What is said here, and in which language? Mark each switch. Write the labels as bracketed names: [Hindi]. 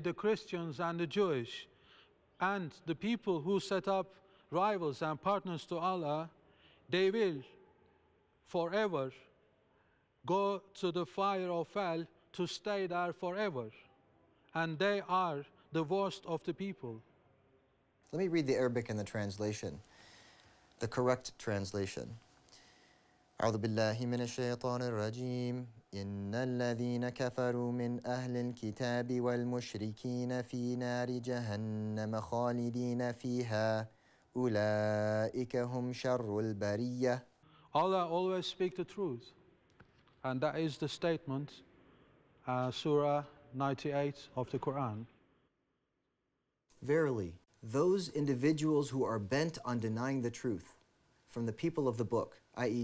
[English] the Christians and the Jewish, and the people who set up rivals and partners to Allah, they will forever go to the fire of hell to stay there forever. And they are the worst of the people. Let me read the Arabic in the translation, the correct translation. [Arabic] أعوذ بالله من الشيطان الرجيم إن الذين كفروا من أهل الكتاب والمشركين في نار جهنم خالدين فيها أولئك هم شر البرية. [English] Allah always speaks the truth, and that is the statement, Surah 98 of the Quran. Verily, those individuals who are bent on denying the truth from the people of the book, i.e.